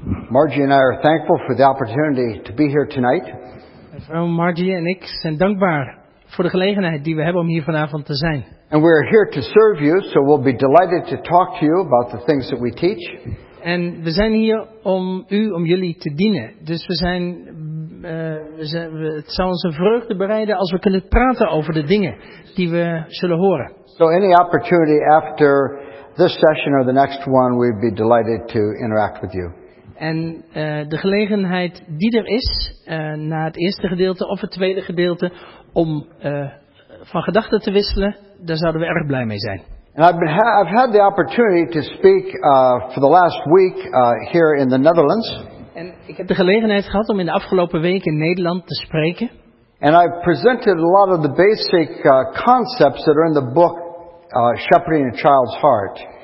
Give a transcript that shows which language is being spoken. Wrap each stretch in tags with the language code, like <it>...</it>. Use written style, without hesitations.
<en>Margie and I are thankful for the opportunity to be here tonight.</en> <nl>Mevrouw Margie en ik zijn dankbaar voor de gelegenheid die we hebben om hier vanavond te zijn.</nl> <en>And we're here to serve you, so we'll be delighted to talk to you about the things that we teach.</en> <nl>En we zijn hier om u, om jullie te dienen. Dus het zou ons een vreugde bereiden als we kunnen praten over de dingen die we zullen horen.</nl> <en>So any opportunity after this session or the next one, we'd be delighted to interact with you.</en> <nl>En de gelegenheid die er is, na het eerste gedeelte of het tweede gedeelte, om van gedachten te wisselen, daar zouden we erg blij mee zijn.</nl> <en>And I've had the opportunity to speak for the last week here in the Netherlands.</en> <nl>En ik heb de gelegenheid gehad om in de afgelopen week in Nederland te spreken.</nl> <en>And I've presented a lot of the basic concepts that are in the book Shepherding a Child's Heart.</en>